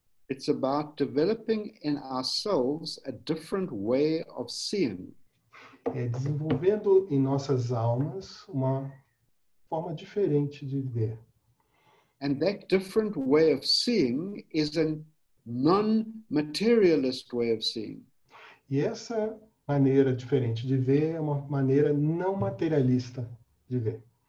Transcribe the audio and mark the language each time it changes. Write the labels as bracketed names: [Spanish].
[English] It's about developing in ourselves a different way of seeing. [Portuguese] É desenvolvendo em nossas almas uma forma diferente de ver. [English] And that different way of seeing is a non-materialist way of seeing. [Portuguese] E essa maneira diferente de ver é uma maneira não materialista de ver.